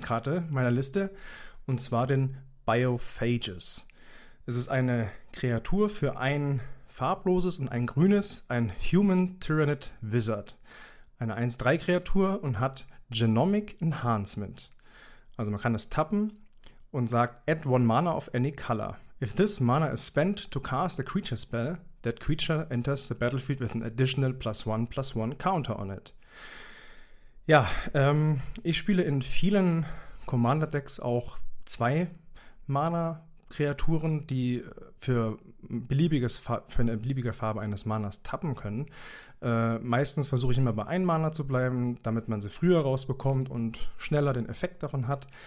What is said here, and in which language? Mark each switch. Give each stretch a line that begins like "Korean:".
German: Karte meiner Liste, und zwar den Biophages. Es ist eine Kreatur für ein farbloses und ein grünes, ein Human Tyranid Wizard. Eine 1-3 Kreatur und hat Genomic Enhancement. Also man kann es tappen und sagt,
English: add one mana of any color. If this mana is spent to cast a creature spell, that creature enters the battlefield with an additional +1/+1 counter on it.
German: Ja, ich spiele in vielen Commander-Decks auch 2 Mana-Kreaturen, die für eine beliebige Farbe eines Manas tappen können. Meistens versuche ich immer bei 1 Mana zu bleiben, damit man sie früher rausbekommt und schneller den Effekt davon hat.